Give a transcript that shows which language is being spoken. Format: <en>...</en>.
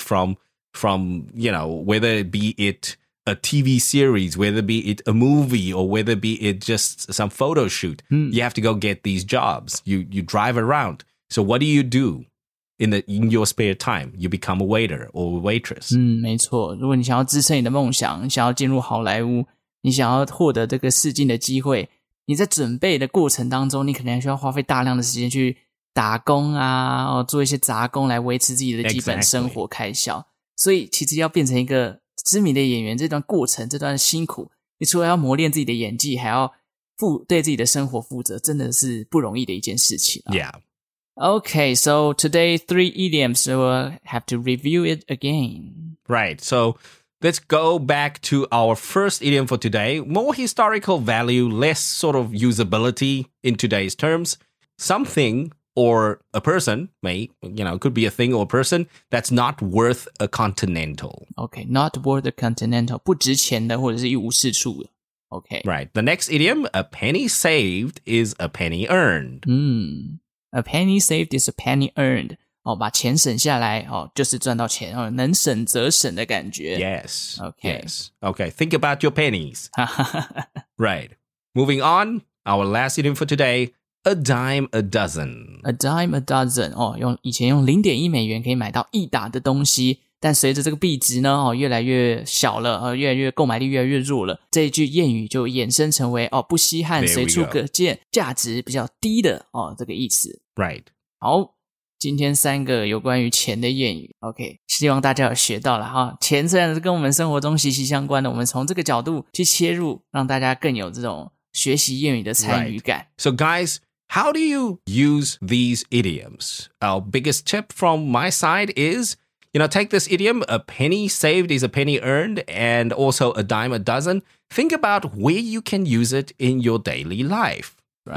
<en>From, you know, whether it be it... a TV series, whether be it a movie or whether be it just some photo shoot, you have to go get these jobs. You drive around. So what do? In your spare time, you become a waiter or a waitress.</en> <zh>没错。如果你想要支撑你的梦想，你想要进入好莱坞，你想要获得这个试镜的机会，你在准备的过程当中，你可能需要花费大量的时间去打工啊，做一些杂工来维持自己的基本生活开销。</zh> <en>Exactly.</en> <zh>所以其实要变成一个知名的演员，这段过程，这段辛苦，你除了要磨练自己的演技，还要负对自己的生活负责，真的是不容易的一件事情。</zh> <en>Yeah. Okay, so today three idioms, so we'll have to review it again. Right, so let's go back to our first idiom for today. More historical value, less sort of usability in today's terms. Something or a person, could be a thing or a person, that's not worth a continental. Okay, not worth a continental.</en> <zh>不值钱的或者是一无是处的。</zh> <en>Okay. Right. The next idiom, a penny saved is a penny earned. A penny saved is a penny earned.</en> <zh>哦，把钱省下来，哦，就是赚到钱，哦，能省则省的感觉。</zh> <en>Yes. Okay. Yes. Okay, think about your pennies. Right. Moving on, our last idiom for today,A dime a dozen. A dime a dozen.</en> <zh>哦，用以前用零点一美元可以买到一打的东西，但随着这个币值呢，哦，越来越小了，越来越购买力越来越弱了，这一句谚语就衍生成为哦，不稀罕，随处可见，价值比较低的哦，这个意思。</zh> <en>Right.</en> <zh>好，今天三个有关于钱的谚语 OK 希望大家有学到了哈。钱虽然是跟我们生活中息息相关的，我们从这个角度去切入，让大家更有这种学习谚语的参与感、</zh> <en>right. So guys, how do you use these idioms? Our biggest tip from my side is, you know, take this idiom, a penny saved is a penny earned, and also a dime a dozen. Think about where you can use it in your daily life.、Right.</en>